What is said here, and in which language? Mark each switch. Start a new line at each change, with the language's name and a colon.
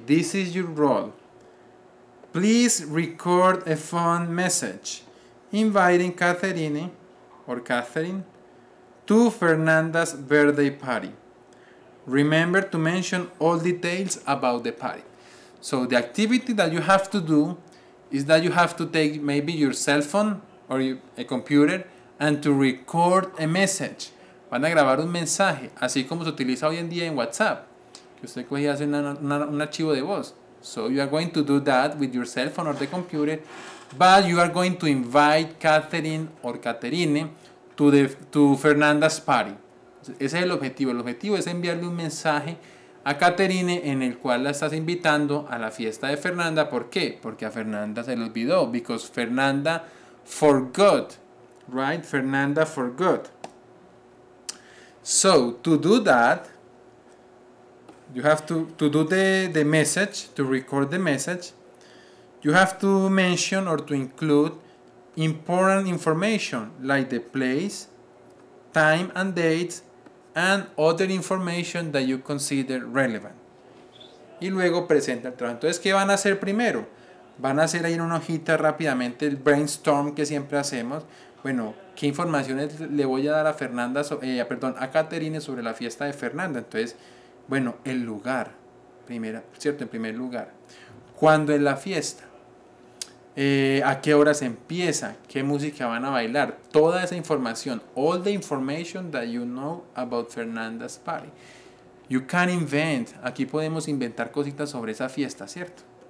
English: This is your role. Please record a phone message inviting Catherine or Catherine to Fernanda's birthday party. Remember to mention all details about the party. So the activity that you have to do is that you have to take maybe your cell phone or a computer and to record a message.
Spanish: Van a grabar un mensaje, así como se utiliza hoy en día en WhatsApp, que usted coge y hace un archivo de voz.
English: So you are going to do that with your cell phone or the computer, but you are going to invite Catherine or Caterine to Fernanda's party.
Spanish: Ese es el objetivo. El objetivo es enviarle un mensaje a Caterine en el cual la estás invitando a la fiesta de Fernanda. ¿Por qué? Porque a Fernanda se le olvidó.
English: Because Fernanda forgot. Right? Fernanda forgot. So, to do that, you have to do the message, to record the message, you have to mention or to include important information like the place, time and date, and other information that you consider relevant.
Spanish: Y luego presenta el trabajo. Entonces, ¿qué van a hacer primero? Van a hacer ahí en una hojita rápidamente el brainstorm que siempre hacemos. Bueno, ¿qué informaciones le voy a dar a Fernanda, a Caterine sobre la fiesta de Fernanda? Entonces, bueno, el lugar, primera, ¿cierto? En primer lugar. ¿Cuándo es la fiesta? ¿A qué horas empieza? ¿Qué música van a bailar? Toda esa información.
English: All the information that you know about Fernanda's party. You can invent.
Spanish: Aquí podemos inventar cositas sobre esa fiesta, ¿cierto?